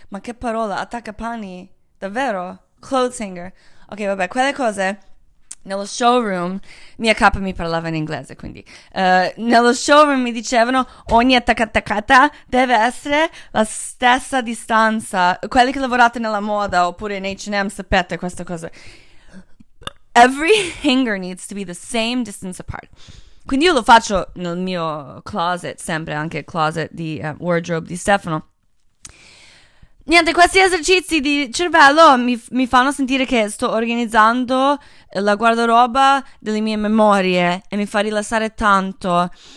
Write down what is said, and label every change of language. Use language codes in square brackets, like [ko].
[it] Ma che parola, attaccapanni? Davvero? [en] Clothes hanger. [it] Ok, vabbè, quelle cose nello showroom, mia capa mi parlava in inglese, quindi nello showroom mi dicevano ogni attaccata deve essere la stessa distanza. Quelli che lavorate nella moda oppure in H&M sapete questa cosa. [en] Every hanger needs to be the same distance apart. [it] Quindi io lo faccio nel mio closet sempre, anche il closet di wardrobe di Stefano. Niente, questi esercizi di cervello mi fanno sentire che sto organizzando la guardaroba delle mie memorie e mi fa rilassare tanto.